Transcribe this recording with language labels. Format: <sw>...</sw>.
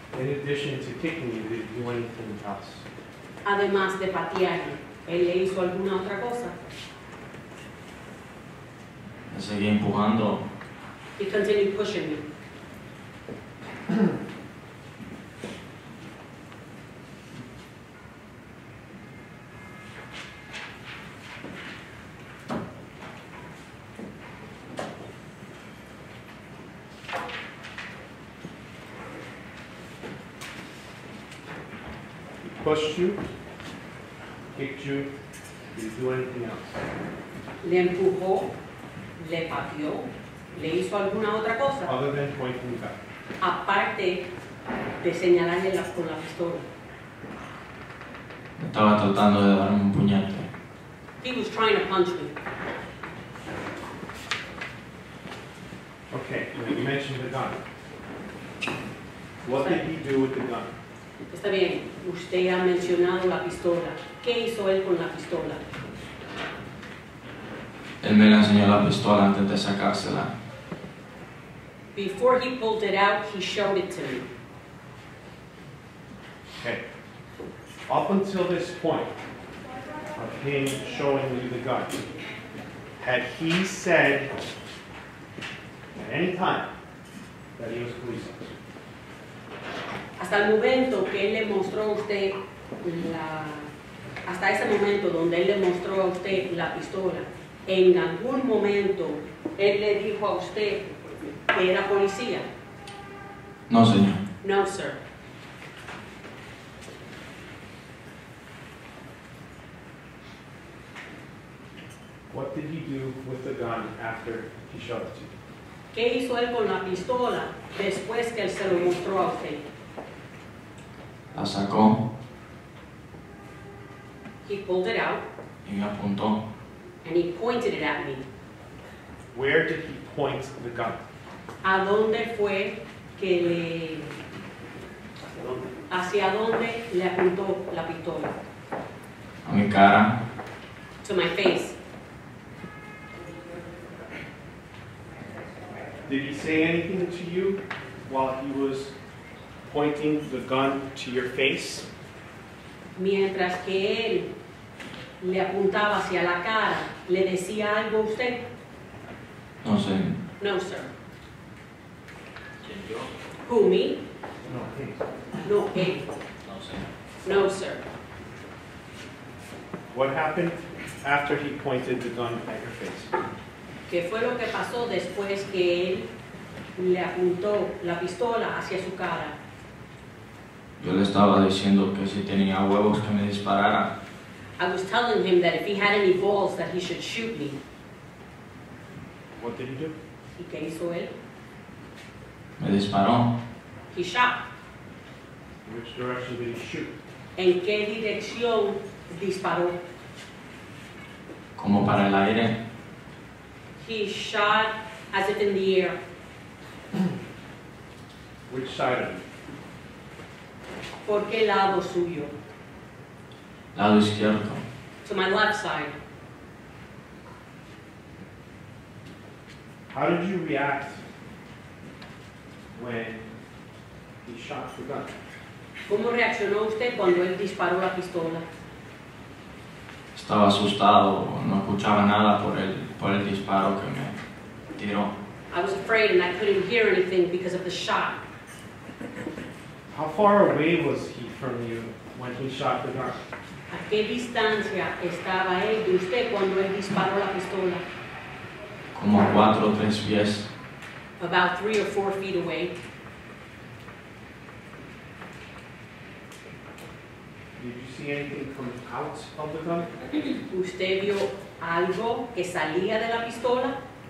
<en>In addition to kicking you, did he do anything else?</en> <es>Además de patearme, ¿él le hizo alguna otra cosa? Me seguía empujando.</es> <en>He continued pushing me. Pushed you, kicked you, did you do anything else?</en> <es>Le empujó, le pateó, le hizo alguna otra cosa.</es> <en>Other than pointing the gun.</en> <es>Aparte de señalarle con la pistola. Estaba tratando de darme un puñete.</es> <en>He was trying to punch me. Okay, you mentioned the gun. What did he do with the gun?</en> <es>Está bien, usted ha mencionado la pistola. ¿Qué hizo él con la pistola? Él me la enseñó la pistola antes de sacársela.</es> <en>Before he pulled it out, he showed it to me. Okay. Up until this point of him showing you the gun, had he said at any time that he was police officer?</en> <es>Hasta el momento que él le mostró a usted la... Hasta ese momento donde él le mostró a usted la pistola, ¿en algún momento él le dijo a usted que era policía? No, señor.</es> <en>No, sir. What did he do with the gun after he showed it to you?</en> <es>¿Qué hizo él con la pistola después que él se lo mostró a usted? La sacó.</es> <en>He pulled it out.</en> <es>Y me apuntó.</es> <en>And he pointed it at me. Where did he point the gun?</en> <es>¿A dónde fue que le... ¿Hacia dónde le apuntó la pistola? A mi cara.</es> <en>To my face. Did he say anything to you while he was pointing the gun to your face?</en> <es>Mientras que él le apuntaba hacia la cara, ¿le decía algo usted?</es> <en>No, sir. No, sir.</en> <es>Yo.</es> <en>Who, me?</en> <es>No, él. No, él.</es> <en>No, sir. No, sir. What happened after he pointed the gun at your face?</en> <es>¿Qué fue lo que pasó después que él le apuntó la pistola hacia su cara? Yo le estaba diciendo que si tenía huevos que me disparara.</es> <en>I was telling him that if he had any balls that he should shoot me. What did he do?</en> <es>¿Y qué hizo él? Me disparó.</es> <en>He shot. Which direction did he shoot?</en> <es>¿En qué dirección disparó? Como para el aire.</es> <en>He shot as if in the air. Which side of you?</en> <es>¿Por qué lado suyo? Lado izquierdo.</es> <en>To my left side. How did you react when he shot the gun?</en> <es>¿Cómo reaccionó usted cuando él disparó la pistola? Estaba asustado, no escuchaba nada por el disparo que me tiró.</es> <en>I was afraid and I couldn't hear anything because of the shot. How far away was he from you when he shot the gun?</en> <es>¿A qué distancia estaba él de usted cuando él disparó la pistola? Como cuatro o tres pies.</es> <en>About 3 or 4 feet away. Did you see anything come out of the gun?</en> <es>¿Usted vio algo que salía de la pistola?</es>